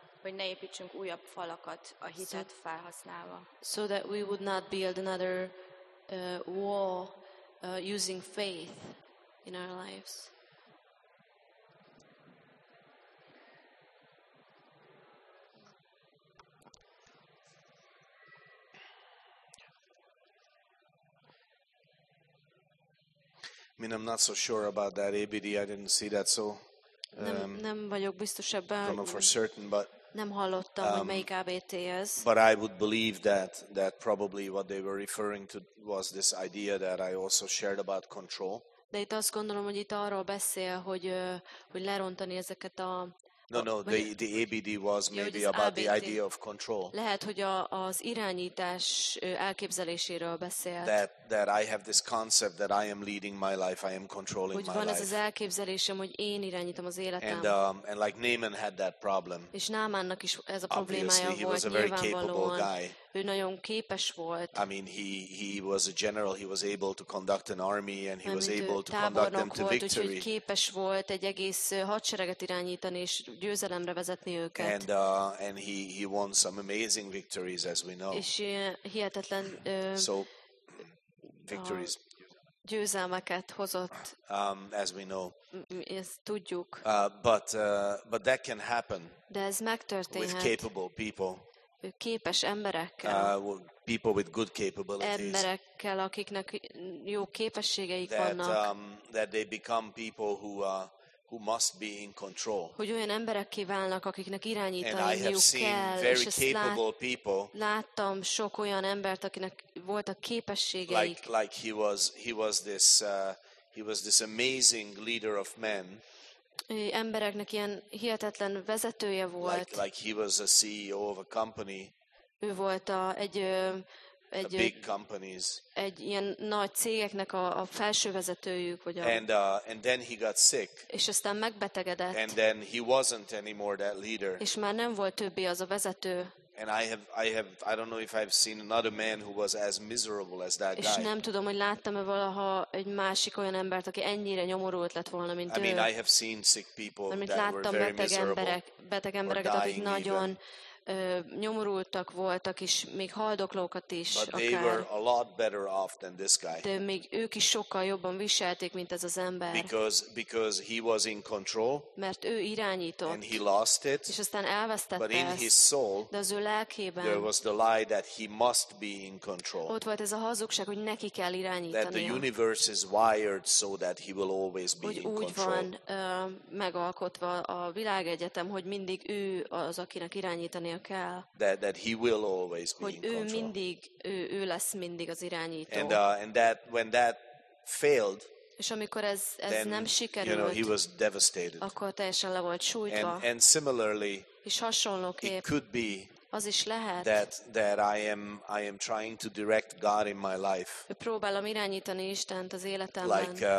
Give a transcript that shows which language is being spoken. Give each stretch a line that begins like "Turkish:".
Hungarian: Hogy ne építsünk újabb falakat a hitet felhasználva.
English: So that we would not build another wall using faith in our lives. I mean, I'm not so sure about that ABD. I didn't see that, so
Hungarian: nem vagyok biztos ebben.
English: Don't know for certain, but
Hungarian: nem hallottam, hogy melyik ABT ez.
English: But I would believe that probably what they were referring to was this idea that I also shared about control.
Hungarian: De itt azt gondolom, hogy itt arról beszél, hogy lerontani ezeket a...
English: No, the ABD was maybe about the idea of control.
Hungarian: Lehet, hogy az irányítás elképzeléséről beszél.
English: That I have this concept that I am leading my life, I am controlling my life.
Hungarian: Hogy van ez az elképzelésem, hogy én irányítom az életem.
English: And like Naaman had that problem.
Hungarian: És Naamannak is ez a problémája volt.
English: Obviously, he was a very capable guy.
Hungarian: Ő nagyon képes volt.
English: I mean, he was a general, he was able to conduct an army and he was able to conduct them to victory.
Hungarian: Tábornok volt, képes volt egy egész hadsereget irányítani és győzelemre vezetni őket.
English: And he won some amazing victories, as we know.
Hungarian: És hihetetlen
English: victories.
Hungarian: Győzelmeket hozott.
English: As we know.
Hungarian: Ezt tudjuk.
English: But that can happen.
Hungarian: De ez megtörténhet.
English: With capable people.
Hungarian: Képes emberekkel.
English: People with good capabilities.
Hungarian: Emberekkel, akiknek jó képességeik vannak.
English: That they become people who must be in control.
Hungarian: Hogy olyan emberekké válnak, akiknek irányítani kell.
English: And I have seen very capable people.
Hungarian: Láttam sok olyan embert, akinek voltak képességeik.
English: Like he was this amazing leader of men.
Hungarian: Embereknek ilyen hihetetlen vezetője volt.
English: Like he was a CEO of a company.
Hungarian: Ő volt egy
English: big companies.
Hungarian: Egy ilyen nagy cégeknek a felső vezetőjük, vagy a.
English: And then he got sick.
Hungarian: És aztán megbetegedett.
English: And then he wasn't anymore that leader.
Hungarian: És már nem volt többé az a vezető.
English: And I don't know if I've seen another man who was as miserable as that guy.
Hungarian: És nem tudom, hogy láttam-e valaha egy másik olyan embert, aki ennyire nyomorult lett volna, mint ő.
English: I mean, I have seen sick people that were very miserable.
Hungarian: Beteg embereket, akik nagyon nyomorultak voltak is, még haldoklókat is
English: but
Hungarian: akár.
English: They were a lot better off than this guy.
Hungarian: De még ők is sokkal jobban viselték, mint ez az ember.
English: Because he was in control.
Hungarian: Mert ő irányított.
English: And he lost it.
Hungarian: És aztán elvesztette
English: but in
Hungarian: ezt.
English: His soul,
Hungarian: de az ő lelkében
English: there was the lie that he must be in control.
Hungarian: Ott volt ez a hazugság, hogy neki kell irányítania.
English: That the universe is wired so that he will always be
Hungarian: hogy
English: in
Hungarian: úgy
English: control.
Hungarian: Van megalkotva a világegyetem, hogy mindig ő az, akinek irányítania kell,
English: that he will always be
Hungarian: hogy
English: in control.
Hungarian: Ő mindig ő lesz mindig az irányító.
English: And that when that failed,
Hungarian: és amikor ez
English: then,
Hungarian: nem sikerült,
English: you know, he was devastated.
Hungarian: Akkor teljesen le volt sújtva.
English: And similarly,
Hungarian: és hasonlóképp,
English: it could be
Hungarian: az is lehet,
English: that I am trying to direct God in my life. Próbálom irányítani Istent az életemben.